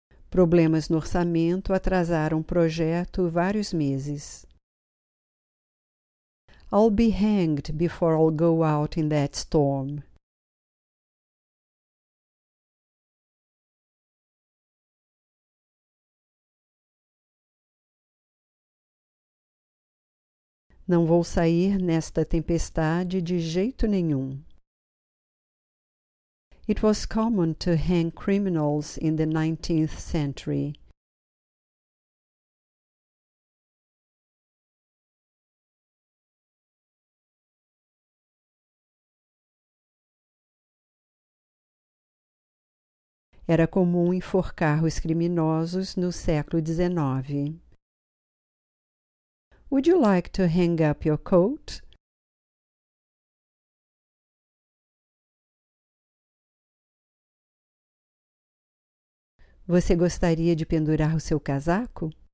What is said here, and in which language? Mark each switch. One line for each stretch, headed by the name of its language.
Portuguese: Problemas no orçamento atrasaram o projeto vários meses.
English: I'll be hanged before I'll go out in that storm.
Portuguese: Não vou sair nesta tempestade de jeito nenhum.
English: It was common to hang criminals in the 19th century.
Portuguese: Era comum enforcar os criminosos no século XIX.
English: Would you like to hang up your coat?
Portuguese: Você gostaria de pendurar o seu casaco?